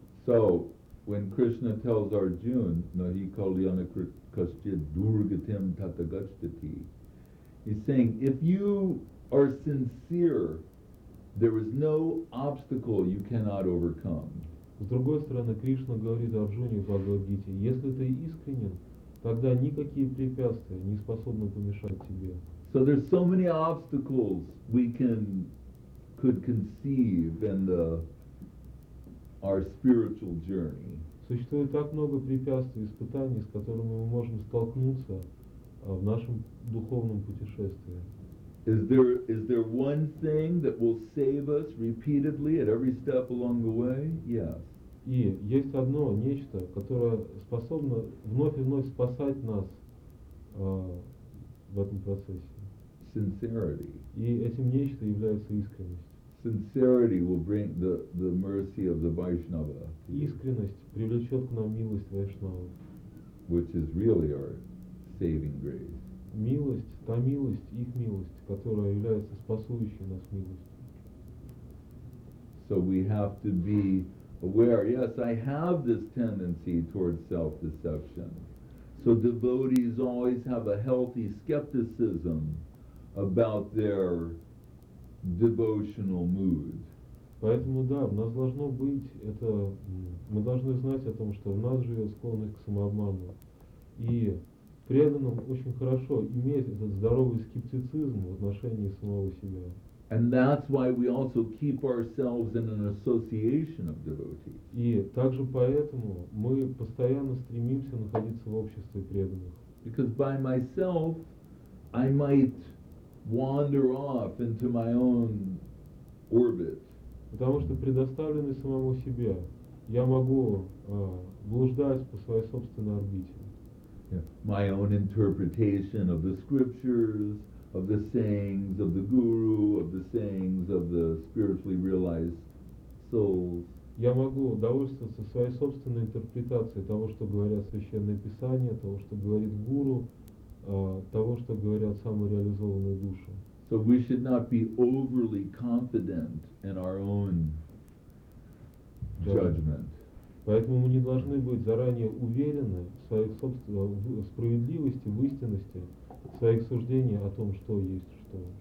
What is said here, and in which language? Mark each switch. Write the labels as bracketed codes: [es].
[en] So when Krishna tells Arjuna, [sa] Nahi Kalyana Kaschid Durgatim Tathagacchati, [en] he's saying, if you are sincere, there is no obstacle you cannot overcome. [ru] С другой стороны, Кришна говорит Арджуне в Бхагавад-гите, если ты искренен, тогда никакие препятствия не способны помешать тебе. [en] So there's so many obstacles we could conceive in the our spiritual journey. [ru] Существует так много препятствий и испытаний, с которыми мы можем столкнуться в нашем духовном путешествии. [en] Is there one thing that will save us repeatedly at every step along the way? Yes. [ru] И есть одно нечто, которое способно вновь и вновь спасать нас в этом процессе. [en] Sincerity. [ru] И этим нечто является искренность. [en] Sincerity will bring the mercy of the Vaishnava. [ru] Искренность привлечет к нам милость Вайшнавы. [en] Which is really our saving grace. [ru] Милость, та милость, их милость, которая является спасающей нас милостью. [en] So we have to be aware, yes, I have this tendency towards self-deception. So devotees always have a healthy skepticism about their devotional mood. [ru] Поэтому да, в нас должно быть это. Мы должны знать о том, что в нас живет склонность к самообману. И преданным очень хорошо иметь этот здоровый скептицизм в отношении самого себя. [en] And that's why we also keep ourselves in an association of devotees. [ru] И также поэтому мы постоянно стремимся находиться в обществе преданных. [en] Because by myself, I might wander off into my own orbit. [ru] Потому что предоставленный самому себе, я могу блуждать по своей собственной орбите. [en] my own interpretation of the scriptures, of the sayings of the guru, of the sayings of the spiritually realized souls. [ru] Я могу довольствоваться своей собственной интерпретацией того, что говорят священные писания, того, что говорит гуру, того, что говорят самореализованные души. [en] So we should not be overly confident in our own judgment. [ru] Поэтому мы не должны быть заранее уверены в своих собственных справедливости, в истинности своих суждений о том, что есть что.